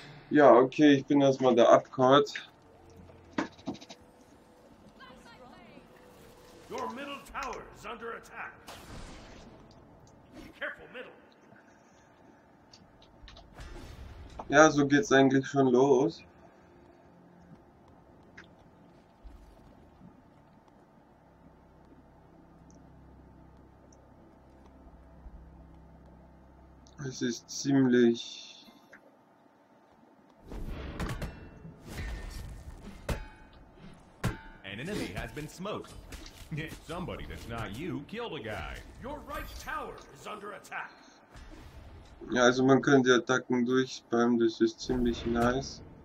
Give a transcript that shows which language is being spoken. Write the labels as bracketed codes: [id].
[de] Ja, okay, ich bin erstmal der Abcord. [en] Your middle tower is under attack. Be careful, middle. [de] Ja, so geht's eigentlich schon los. Es ist ziemlich. [en] Enemy has been smoked. Somebody that's not you killed a guy. Your right tower is under attack. [de] Ja, also man kann die Attacken durchspammen, das ist ziemlich nice.